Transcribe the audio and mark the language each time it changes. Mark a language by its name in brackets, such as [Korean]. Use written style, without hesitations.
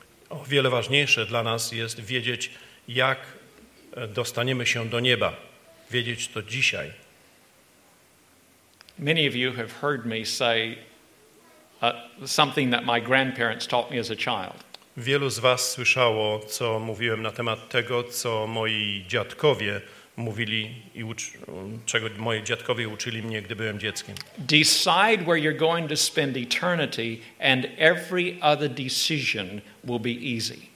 [Polish] O wiele ważniejsze dla nas jest wiedzieć, jak dostaniemy się do nieba. Wiedzieć to dzisiaj. [English] Many of you have heard me say something that my grandparents taught me as a child. [Polish] Wielu z was słyszało, co mówiłem na temat tego, co moi dziadkowie mówili i czego moi dziadkowie uczyli mnie, gdy byłem dzieckiem. [English] Decide where you're going to spend eternity and every other decision will be easy.